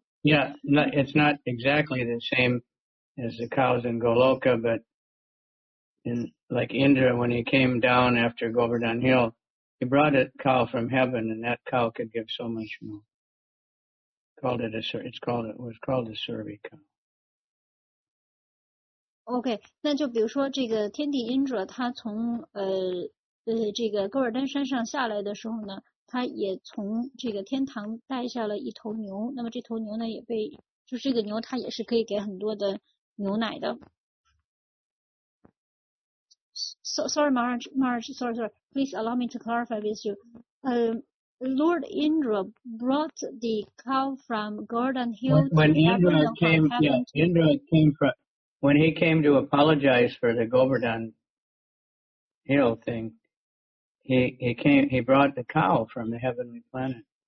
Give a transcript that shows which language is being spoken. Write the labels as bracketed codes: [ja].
[en] Yeah, no, it's not exactly the same as the cows in Goloka, but in like Indra, when he came down after Govardhan Hill, he brought a cow from heaven, and that cow could give so much milk. Called it a, it's called, it was called a Surabhi cow. [zh] OK, 那就比如说这个天帝Indra他从这个哥尔丹山上下来的时候呢，他也从这个天堂带下了一头牛，那么这头牛呢也被，就是这个牛它也是可以给很多的牛奶的。 [en] Sorry, Maharaj, please allow me to clarify with you. Lord Indra brought the cow from Golden Hill when, to heaven. When Indra came, yeah, Indra came from... When he came to apologize for the Govardhan Hill thing, he brought the cow from the heavenly planet.